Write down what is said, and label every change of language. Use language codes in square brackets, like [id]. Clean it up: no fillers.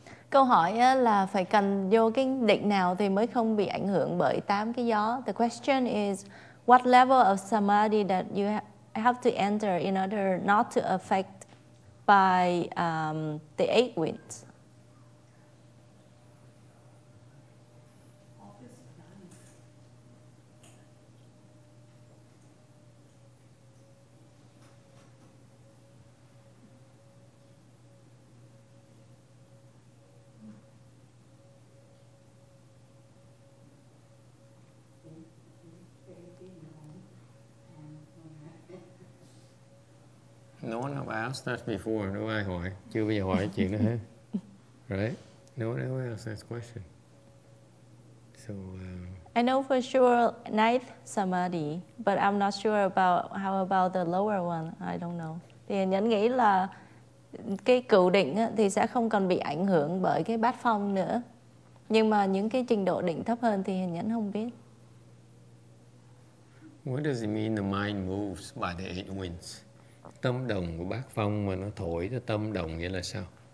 [vi] Câu hỏi là phải cần vô cái định nào thì mới không bị ảnh hưởng bởi tám cái gió. [en] The question is, what level of samadhi that you have to enter in order not to affect by the eight winds? No one ever asked that before. No [vi] ai hỏi. Chưa bao giờ hỏi chuyện đó hết. [en] Right? No one ever asked that question. So, I know for sure ninth samadhi, but I'm not sure about how about the lower one. I don't know. [vi] Thì Nhẫn nghĩ là cái cựu định thì sẽ không còn bị ảnh hưởng bởi cái bát phong nữa. Nhưng mà những cái trình độ định thấp hơn thì Nhẫn không biết. [en] What does it mean the mind moves by the eight winds? [vi] Tâm đồng của bát phong mà nó thổi cho tâm đồng nghĩa là sao?